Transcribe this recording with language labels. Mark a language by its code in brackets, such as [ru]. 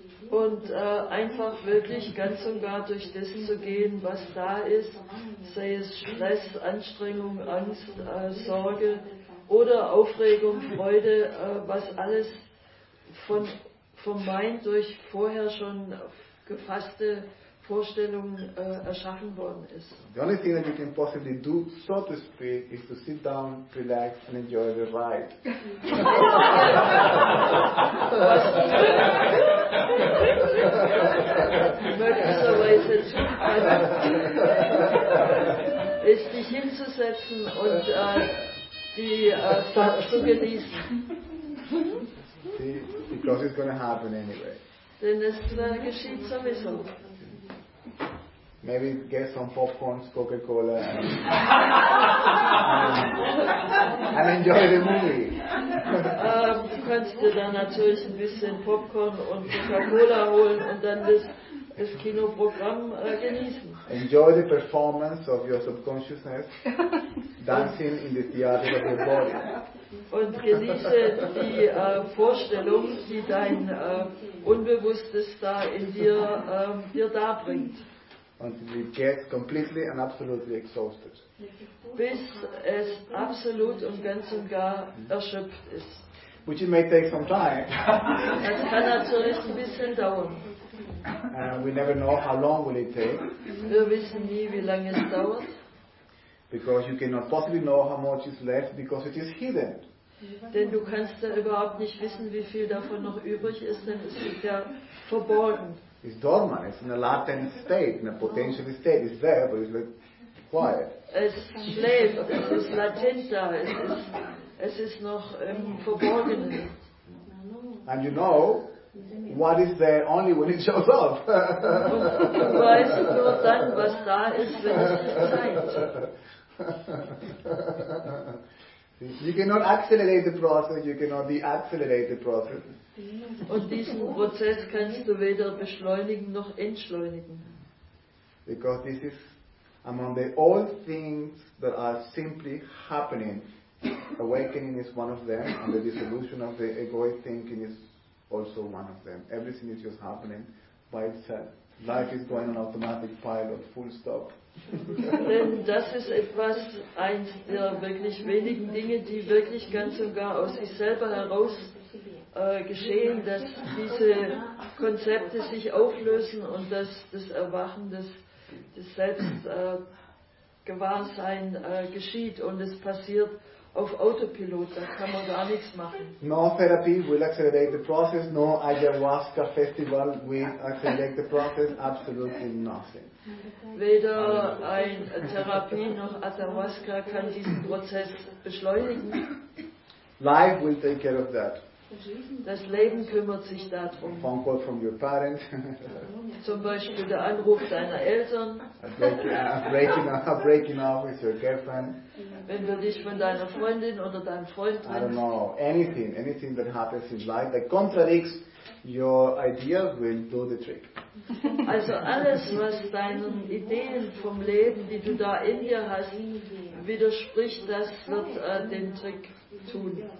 [de] Und einfach wirklich ganz und gar durch das zu gehen, was da ist, sei es Stress, Anstrengung, Angst, Sorge oder Aufregung, Freude, was alles vom Mind durch vorher schon gefasste Vorstellungen erschaffen worden ist. [en] The only thing that you can possibly do, so to speak, is to sit down, relax and enjoy the ride. [de] Möglicherweise ist dich hinzusetzen und die Fahrt zu genießen. [en] See, because it's going to happen anyway. [de] Denn es geschieht sowieso. [en] Maybe get some popcorns, Coca-Cola, and enjoy the movie. [de] Du kannst dir dann natürlich ein bisschen Popcorn und Coca-Cola holen und dann das Kinoprogramm genießen. [en] Enjoy the performance of your subconsciousness, dancing in the theater of your body. [de] Und genieße die Vorstellung, die dein Unbewusstes da in dir dir darbringt. [en] Until it gets completely and absolutely exhausted. [de] Bis es absolut und ganz und gar erschöpft ist. [en] Which it may take some time. [de] Es kann natürlich ein bisschen dauern. [en] And we never know how long will it take. [de] Wir wissen nie, wie lange es dauert. [en] Because you cannot possibly know how much is left because it is hidden. [de] Denn du kannst ja überhaupt nicht wissen, wie viel davon noch übrig ist, denn es ist ja verborgen. [en] It's dormant, it's in a latent state, in a potential state. It's there, but it's like quiet. [de] Es schläft, es ist latent da, es ist noch im Verborgenen. [en] And you know what is there only when it shows up. [de] Du weißt nur dann, was da ist, wenn es sich zeigt. [en] You cannot accelerate the process, you cannot deaccelerate the process. [de] Und diesen Prozess kannst du weder beschleunigen noch entschleunigen. [en] Because this is among the all things that are simply happening. Awakening is one of them, and the dissolution of the egoic thinking is also one of them. Everything is just happening by itself. Life is going on automatic pilot, full stop. [de] Denn das ist etwas, eins der wirklich wenigen Dinge, die wirklich ganz und gar aus sich selber heraus geschehen, dass diese Konzepte sich auflösen und dass das Erwachen, das Selbstgewahrsein geschieht und es passiert auf Autopilot, da kann man gar nichts machen. [en] No therapy will accelerate the process, no ayahuasca festival will accelerate the process, absolutely nothing. [de] Weder eine Therapie noch Ayahuasca kann diesen Prozess beschleunigen. [en] Life will take care of that. [de] Das Leben kümmert sich darum. [en] A phone call from your parents. [de] Zum Beispiel der Anruf deiner Eltern. [en] A breaking off with your girlfriend. [de] Wenn du dich von deiner Freundin oder deinem Freund trennst. [en] I don't know. Anything that happens in life that contradicts your idea will do the trick. [de] Also alles, was deinen Ideen vom Leben, die du da in dir hast, widerspricht, das wird den Trick tun.